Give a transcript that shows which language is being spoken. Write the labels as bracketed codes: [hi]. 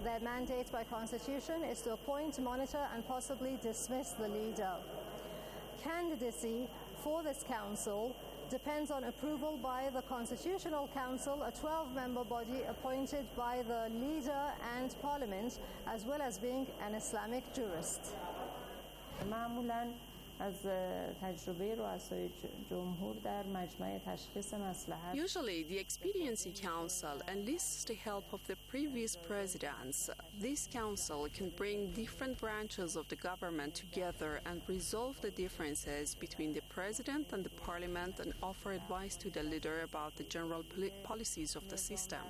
[en] Their mandate by constitution is to appoint, monitor, and possibly dismiss the leader. Candidacy for this council depends on approval by the Constitutional Council, a 12-member body appointed by the leader and parliament, as well as being an Islamic jurist. [fa] معمولاً از تجربه رؤسای جمهور در مجمع تشخیص مصلحت. [en] Usually, the Expediency Council enlists the help of the previous presidents. This council can bring different branches of the government together and resolve the differences between the president and the parliament and offer advice to the leader about the general policies of the system.